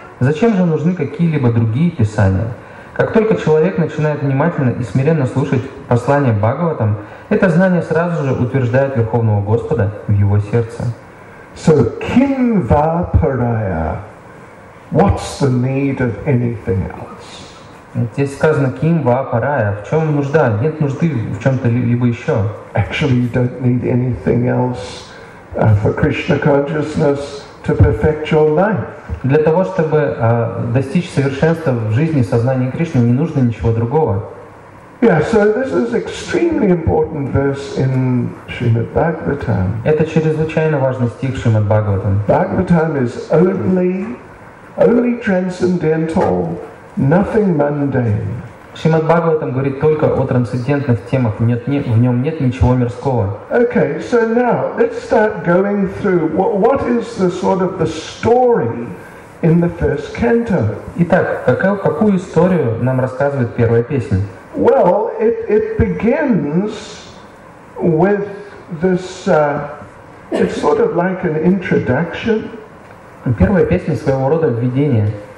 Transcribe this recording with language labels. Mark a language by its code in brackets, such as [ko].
[ru] Зачем же нужны какие-либо другие писания? Как только человек начинает внимательно и смиренно слушать послание Бхагаватам, это знание сразу же утверждает Верховного Господа в его сердце. [en] So, [sa] kim va paraya? [en] What's the need of anything else? [ru] Здесь сказано «ким ва парая». В чем нужда? Нет нужды в чем-то либо еще. [en] Actually, you don't need anything else for Krishna consciousness to perfect your life. [ru] Для того, чтобы достичь совершенства в жизни сознания Кришны, не нужно ничего другого. [en] Yeah, so this is extremely important verse in Srimad Bhagavatam. [ru] Это чрезвычайно важный стих в Шримад Бхагаватам. [en] Bhagavatam is only transcendental. Nothing mundane. [ru] Шримад Бхагаватам говорит только о трансцендентных темах. В нем нет ничего мирского. [en] Okay, so now let's start going through what is the sort of the story in the first canto. [ru] Итак, какую историю нам рассказывает первая песня? [en] Well, it begins with this. It's sort of like an introduction. [ru] Первая песня своего рода введение.